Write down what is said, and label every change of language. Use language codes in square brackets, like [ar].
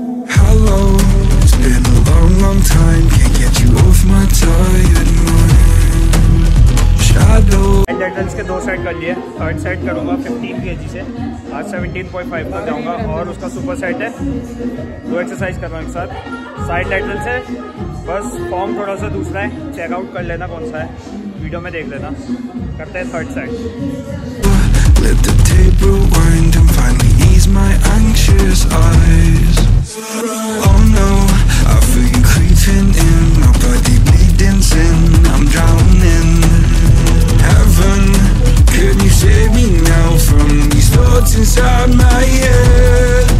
[en] Hello, it's been a long, long time. Can't get you off my tired mind. Shadow. [hi] Side lateral के दो side कर लिए, third side करूँगा 15 kg से, आज 17.5 तक जाऊँगा, और उसका super side है, दो exercise कर रहा हूँ एक साथ। Side lateral से, बस form थोड़ा सा दूसरा है, check out कर लेना कौन सा है, video में देख लेना, करते हैं third side. [en] Let the table wind and finally ease my anxious eyes. Oh no, I feel you creeping in, my body bleeding sin. I'm drowning. Heaven, can you save me now from these thoughts inside my head?